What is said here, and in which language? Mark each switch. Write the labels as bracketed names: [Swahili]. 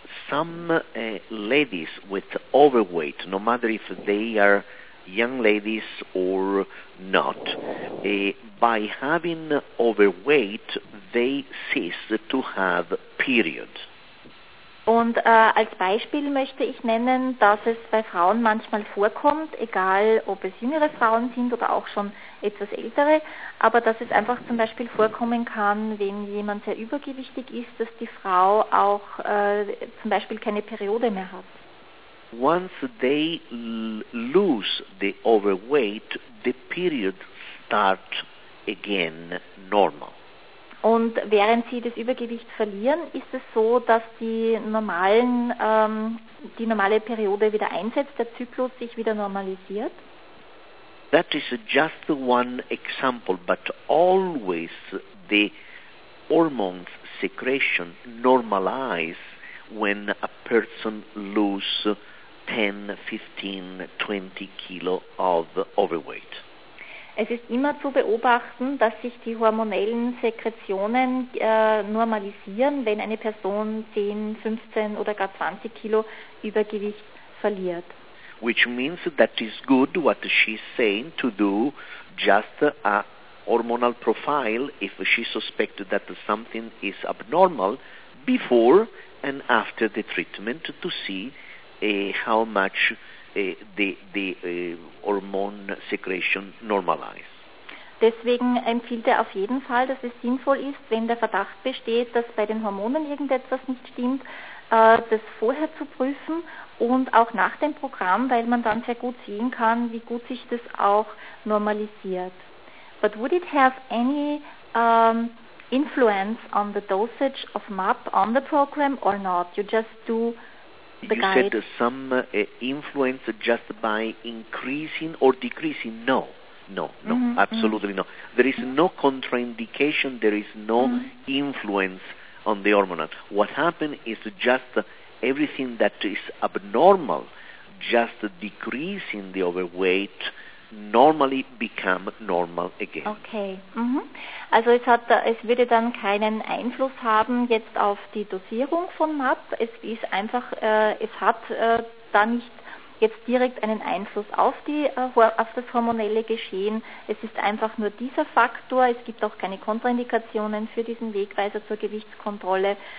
[English] Some ladies with overweight, no matter if they are young ladies or not, by having overweight, they cease to have period. [German] Und als Beispiel möchte ich nennen, dass es bei Frauen manchmal vorkommt, egal ob es jüngere Frauen sind oder auch schon etwas ältere, aber dass es einfach zum Beispiel vorkommen kann, wenn jemand sehr übergewichtig ist, dass die Frau auch zum Beispiel keine Periode mehr hat. [English] Once they lose the overweight, the period starts again normal. [German] Und während sie das Übergewicht verlieren, ist es so, dass die normalen, die normale Periode wieder einsetzt, der Zyklus sich wieder normalisiert? [English] That is just one example, but always the hormones secretion normalize when a person loses 10, 15, 20 kilo of overweight. [German] Es ist immer zu beobachten, dass sich die hormonellen Sekretionen normalisieren, wenn eine Person 10, 15 oder gar 20 Kilo Übergewicht verliert. [English] Which means that is good what she's saying to do just a hormonal profile if she suspected that something is abnormal before and after the treatment to see how much the hormone secretion normalizes. [German] Deswegen empfiehlt er auf jeden Fall, dass es sinnvoll ist, wenn der Verdacht besteht, dass bei den Hormonen irgendetwas nicht stimmt, das vorher zu prüfen und auch nach dem Programm, weil man dann sehr gut sehen kann, wie gut sich das auch normalisiert. [English] But would it have any influence on the dosage of MAP on the program or not? You just do You said some influence just by increasing or decreasing. No, mm-hmm. absolutely mm-hmm. no. There is no contraindication, there is no mm-hmm. influence on the hormone. What happened is just everything that is abnormal, just decreasing the overweight, normally become normal again. Okay. Mm-hmm. [German] Also es würde dann keinen Einfluss haben jetzt auf die Dosierung von MAP. Es ist einfach, es hat da nicht jetzt direkt einen Einfluss auf die auf das hormonelle Geschehen. Es ist einfach nur dieser Faktor. Es gibt auch keine Kontraindikationen für diesen Wegweiser zur Gewichtskontrolle.